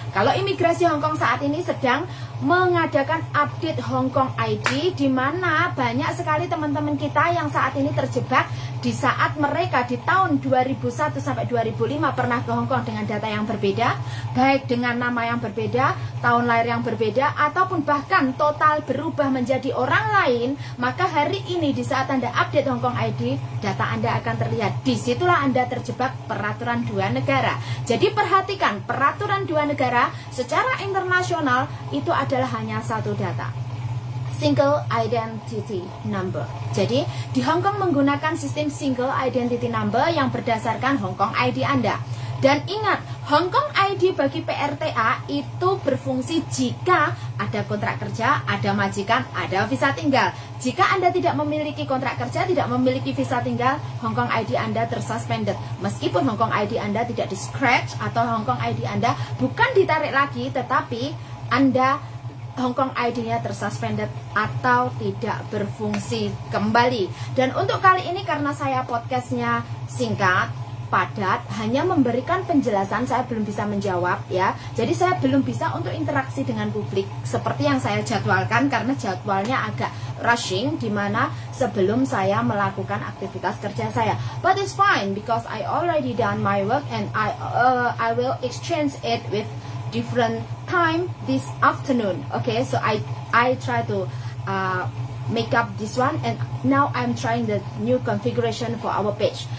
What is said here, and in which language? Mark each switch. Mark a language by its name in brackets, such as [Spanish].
[Indonesian] Kalau imigrasi Hong Kong saat ini sedang mengadakan update Hong Kong ID, di mana banyak sekali teman-teman kita yang saat ini terjebak di saat mereka di tahun 2001 sampai 2005 pernah ke Hong Kong dengan data yang berbeda, baik dengan nama yang berbeda, tahun lahir yang berbeda, ataupun bahkan total berubah menjadi orang lain. Maka hari ini di saat Anda update Hong Kong ID, data Anda akan terlihat. Disitulah Anda terjebak peraturan dua negara. Jadi perhatikan, peraturan dua negara secara internasional itu adalah hanya satu data. [English] single identity number. [Indonesian] Jadi di Hong Kong menggunakan sistem single identity number yang berdasarkan Hong Kong ID Anda. Dan ingat, Hong Kong ID bagi PRTA itu berfungsi jika ada kontrak kerja, ada majikan, ada visa tinggal. Jika Anda tidak memiliki kontrak kerja, tidak memiliki visa tinggal, Hong Kong ID Anda tersuspended. Meskipun Hong Kong ID Anda tidak di scratch atau Hong Kong ID Anda bukan ditarik lagi, tetapi Anda Hong Kong ID-nya tersuspended atau tidak berfungsi kembali. Dan untuk kali ini karena saya podcastnya singkat, padat, hanya memberikan penjelasan, saya belum bisa menjawab ya. Jadi saya belum bisa untuk interaksi dengan publik seperti yang saya jadwalkan karena jadwalnya agak rushing di mana sebelum saya melakukan aktivitas kerja saya. [English] But it's fine because I already done my work and I will exchange it with different time this afternoon. Okay, so I try to make up this one and now I'm trying the new configuration for our page.